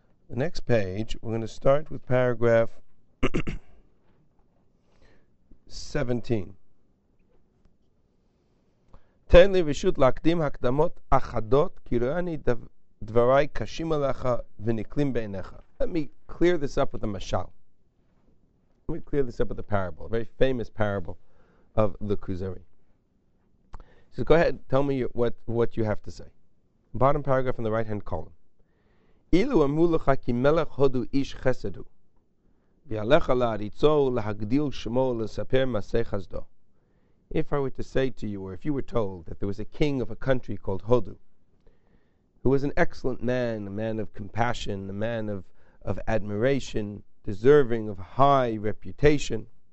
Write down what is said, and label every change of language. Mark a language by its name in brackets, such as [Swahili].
[English] The next page, we're going to start with paragraph 17. [Hebrew] תן לי רשות להקדים הקדמות אחדות, כי ראה אני דבריי קשים עליך ונקלים בעיניך. [English] Let me clear this up with a mashal. Let me clear this up with a parable, a very famous parable of the Kuzari. So go ahead, tell me what you have to say. Bottom paragraph in the right-hand column. [Hebrew] אילו אמרו לך כי מלך הודו איש חסד הוא, ויעלך להריצו ולהגדיל שמו ולספר מעשי חסדו. [English] If I were to say to you, or if you were told, that there was a king of a country called Hodu, who was an excellent man, a man of compassion, a man of admiration, deserving of high reputation,